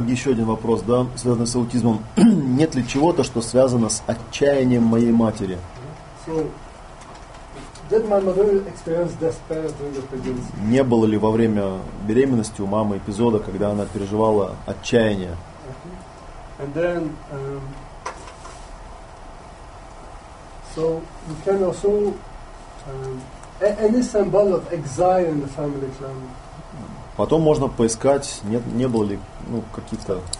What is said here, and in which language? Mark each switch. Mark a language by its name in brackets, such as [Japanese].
[Russian] Еще один вопрос, да, связанный с аутизмом. Нет ли чего-то, что связано с отчаянием моей матери? [English] So, did my mother experience despair during the pregnancy? [Russian] Не было ли во время беременности у мамы эпизода, когда она переживала отчаяние? [English] Okay. And then, so you can also any symbol of exile in the family clan. [Russian] Потом можно поискать, нет, не было ли, ну, каких-то